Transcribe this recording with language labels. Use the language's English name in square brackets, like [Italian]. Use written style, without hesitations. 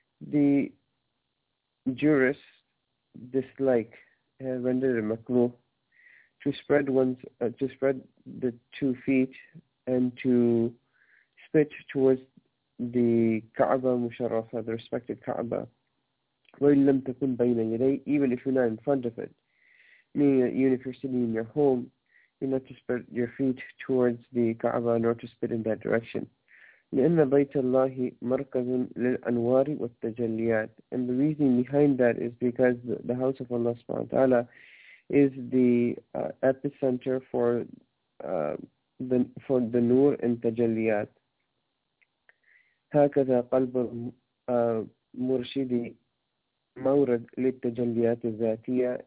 [English] The jurists dislike, have rendered it makruh, to spread the 2 feet and to spit towards the Kaaba Musharrafa, the respected Kaaba, even if you're not in front of it, meaning that even if you're sitting in your home, you're not to spread your feet towards the Kaaba nor to spit in that direction. [Arabic] لأن بيت الله مركز للأنوار والتجليات. [English] And the reasoning behind that is because the house of Allah subhanahu wa ta'ala is the epicenter for the nur and tajalliyat. [Arabic] هكذا قلب مرشدي مورد للتجليات الذاتية.